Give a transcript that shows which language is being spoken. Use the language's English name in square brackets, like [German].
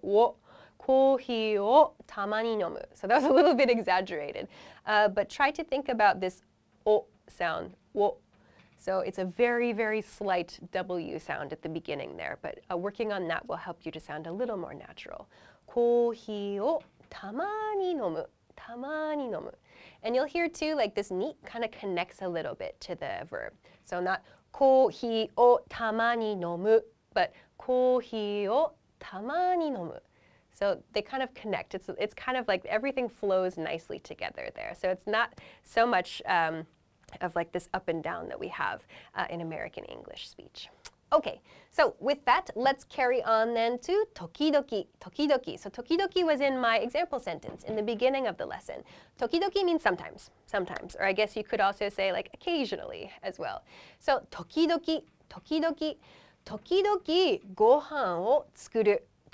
[English] Wo, [Japanese] コーヒーをたまに飲む. [English] So that was a little bit exaggerated. But try to think about this o sound. Wo. So it's a very, very slight W sound at the beginning there, but working on that will help you to sound a little more natural. [Japanese] コーヒーをたまに飲む、たまに飲む。 [English] And you'll hear too, like this に kind of connects a little bit to the verb. So not [Japanese] コーヒーをたまに飲む, [English] but コーヒーをたまに飲む。 So they kind of connect. It's kind of like everything flows nicely together there. So it's not so much... of like this up and down that we have in American English speech. Okay, so with that, let's carry on then to 時々, 時々. So 時々 was in my example sentence in the beginning of the lesson. 時々 means sometimes, sometimes. Or I guess you could also say like occasionally as well. [Japanese] So 時々, 時々, 時々ご飯を作る。